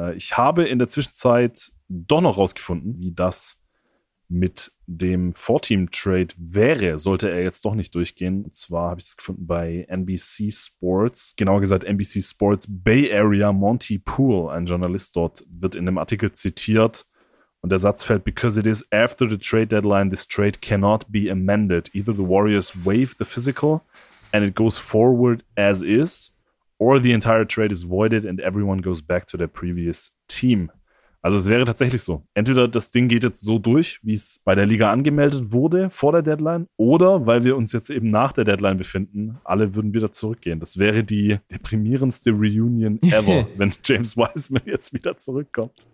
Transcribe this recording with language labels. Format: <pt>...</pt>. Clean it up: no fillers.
<de>Ich habe in der Zwischenzeit doch noch rausgefunden, wie das mit dem Four-Team-Trade wäre, sollte er jetzt doch nicht durchgehen. Und zwar habe ich es gefunden bei NBC Sports. Genauer gesagt NBC Sports Bay Area Monty Poole, ein Journalist dort, wird in dem Artikel zitiert. Und der Satz fällt,</de> <en>because it is after the trade deadline, this trade cannot be amended. Either the Warriors waive the physical and it goes forward as is, or the entire trade is voided and everyone goes back to their previous team.</en> <de>Also es wäre tatsächlich so. Entweder das Ding geht jetzt so durch, wie es bei der Liga angemeldet wurde, vor der Deadline, oder weil wir uns jetzt eben nach der Deadline befinden, alle würden wieder zurückgehen. Das wäre die deprimierendste Reunion ever, wenn James Wiseman jetzt wieder zurückkommt.</de>